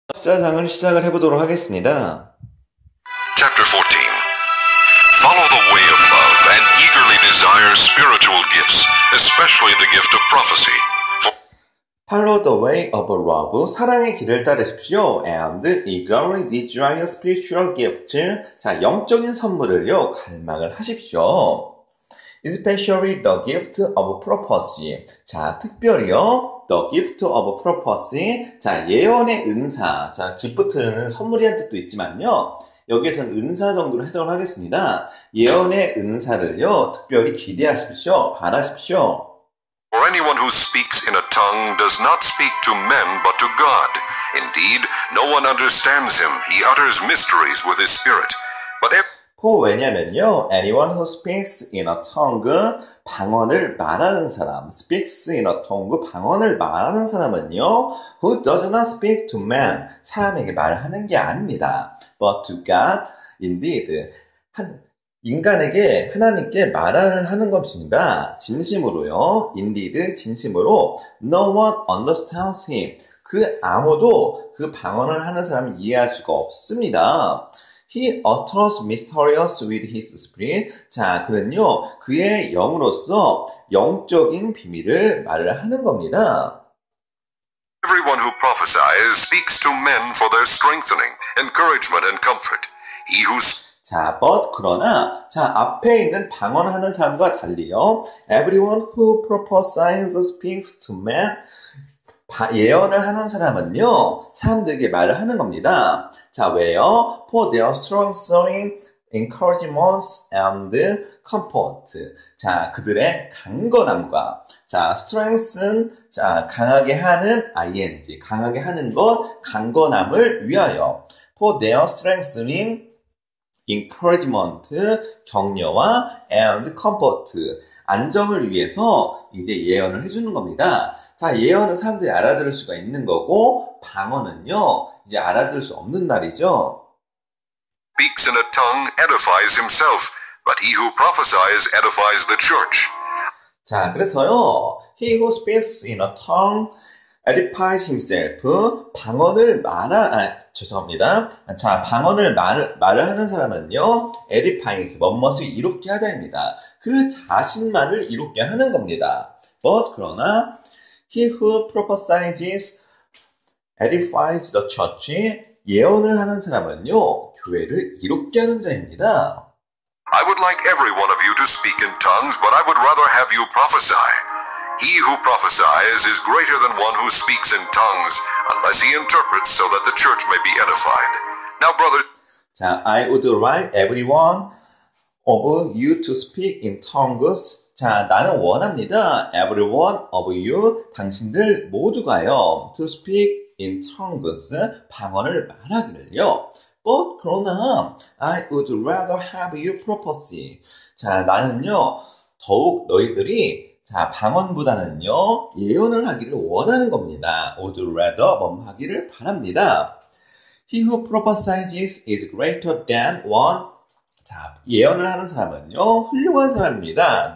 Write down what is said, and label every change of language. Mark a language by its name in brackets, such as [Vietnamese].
[Korean] 짜장을 시작을 해보도록 하겠습니다. [English] Chapter 14. Follow the way of love and eagerly desire spiritual gifts, especially the gift of prophecy. Follow the way of love, [Korean] 사랑의 길을 따르십시오. [English] And eagerly desire spiritual gifts, [Korean] 자, 영적인 선물을요, 갈망을 하십시오. [English] Especially the gift of prophecy. [Korean] 자, 특별히요. [English] The gift of prophecy. [Korean] 자, 예언의 은사. 자, gift는 선물이란 뜻도 있지만요. 여기에서는 은사 정도로 해석을 하겠습니다. 예언의 은사를요. 특별히 기대하십시오. 바라십시오. [English] For anyone who speaks in a tongue does not speak to men but to God. Indeed, no one understands him. He utters mysteries with his spirit. But if... [Korean] 왜냐면요, [English] anyone who speaks in a tongue, [Korean] 방언을 말하는 사람, [English] speaks in a tongue, [Korean] 방언을 말하는 사람은요, [English] who does not speak to man, [Korean] 사람에게 말하는 게 아닙니다. [English] But to God, indeed, [Korean] 인간에게, 하나님께 말을 하는 것입니다. 진심으로요, indeed, 진심으로, [English] no one understands him, [Korean] 그 아무도 그 방언을 하는 사람을 이해할 수가 없습니다. [English] He utters mysterious with his spirit. [Korean] 자, 그는요, 그의 영으로서 영적인 비밀을 말을 하는 겁니다. [English] Everyone who prophesies speaks to men for their strengthening, encouragement, and comfort. He who [Korean] 자, but 그러나, 자, 앞에 있는 방언하는 사람과 달리요, [English] everyone who prophesies speaks to men. [Korean] 예언을 하는 사람은요, 사람들에게 말을 하는 겁니다. 자, 왜요? [English] For their strengthening, encouragement, and comfort. [Korean] 자, 그들의 강건함과, 자, strengthen, 자, 강하게 하는, ing, 강하게 하는 것, 강건함을 위하여. [English] For their strengthening, encouragement, [Korean] 격려와, [English] and comfort. [Korean] 안정을 위해서 이제 예언을 해주는 겁니다. 자, 예언은 사람들이 알아들을 수가 있는 거고 방언은요 이제 알아들을 수 없는 날이죠. [English] Speaks in a tongue edifies himself, but he who prophesies edifies the church. [Korean] 자, 그래서요, [English] he who speaks in a tongue edifies himself. [Korean] 방언을 말아 아, 죄송합니다. 자, 방언을 말을 하는 사람은요 edifies 뭐뭐를 이롭게 하다입니다. 그 자신만을 이롭게 하는 겁니다. [English] But 그러나 He who prophesies edifies the church. [Korean] 예언을 하는 사람은요, 교회를 이롭게 하는 자입니다. [English] I would like every one of you to speak in tongues, but I would rather have you prophesy. He who prophesies is greater than one who speaks in tongues, unless he interprets so that the church may be edified. Now, brother. 자, I would like every one of you to speak in tongues. [Korean] 자, 나는 원합니다. [English] Every one of you, [Korean] 당신들 모두가요. [English] To speak in tongues, [Korean] 방언을 말하기를요. [English] But, 그러나, I would rather have you prophecy. [Korean] 자, 나는요. 더욱 너희들이, 자, 방언보다는요. 예언을 하기를 원하는 겁니다. [English] Would rather, [Korean] 뭐뭐 하기를 바랍니다. [English] He who prophesies is greater than one. [Korean] 자, 예언을 하는 사람은요, 훌륭한 사람입니다.